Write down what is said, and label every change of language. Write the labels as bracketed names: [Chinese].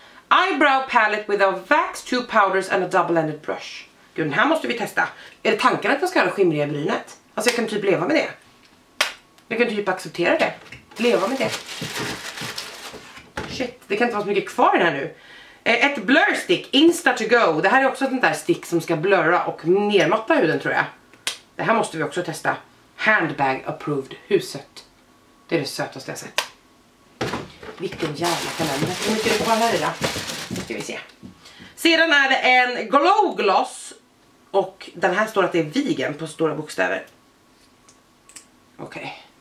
[English] Eyebrow palette with a wax, two powders and a double-ended brush. [Swedish] Gud, den här måste vi testa. Är det tanken att jag ska ha skimriga brynet? Alltså jag kan typ leva med det. Jag kan typ acceptera det. Leva med det. shit, det kan inte vara så mycket kvar här nu. Ett blur stick, insta to go. Det här är också ett där stick som ska blurra och nermatta huden tror jag. Det här måste vi också testa. [English] Handbag approved, [Swedish] huset. Det är det sötaste jag sett. Vilken jävla kalender. Hur mycket är det kvar här idag? Ska vi se. Sedan är det en glow gloss. Och den här står att det är vegan på stora bokstäver. Okej. Okay.